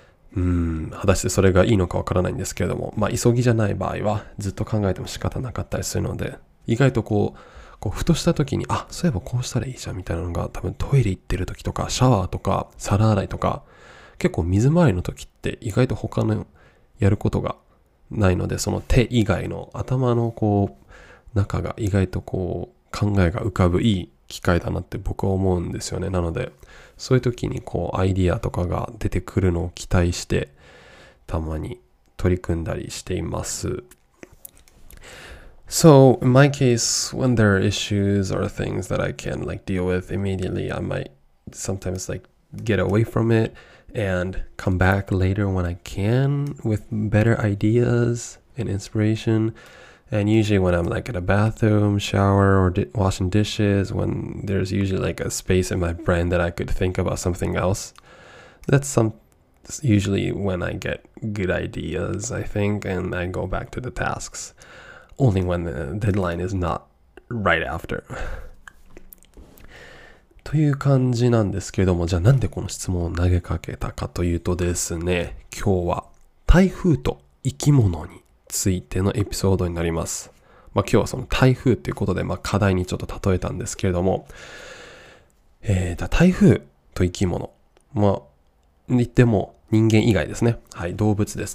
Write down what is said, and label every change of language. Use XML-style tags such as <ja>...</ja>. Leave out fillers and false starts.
<ja>果たしてそれがいいのかわからないんですけれども、まあ急ぎじゃない場合は、ずっと考えても仕方なかったりするので、意外とこう、こうふとした時に、あ、そういえばこうしたらいいじゃんみたいなのが、多分トイレ行ってる時とか、シャワーとか、皿洗いとか、結構水回りの時って意外と他のやることがないので、その手以外の頭のこう、中が意外とこう、考えが浮かぶいい機会だなって僕は思うんですよね。なので、そういう時にこう、アイディアとかが出てくるのを期待して、たまに取り組んだりしています。</ja> <en>So, in my case, when there are issues or things that I can like deal with immediately, I might sometimes like get away from it and come back later when I can with better ideas and inspiration. And usually when I'm like at a bathroom, shower, or washing dishes, when there's usually like a space in my brain that I could think about something else, that's usually when I get good ideas, I think, and I go back to the tasks. Only when the deadline is not right after.</en> <ja>という感じなんですけれども、じゃあなんでこの質問を投げかけたかというとですね、今日は台風と生き物についてのエピソードになります。まあ今日はその台風ということで、まあ課題にちょっと例えたんですけれども、台風と生き物、まあ言っても人間以外ですね。はい、動物です。</ja>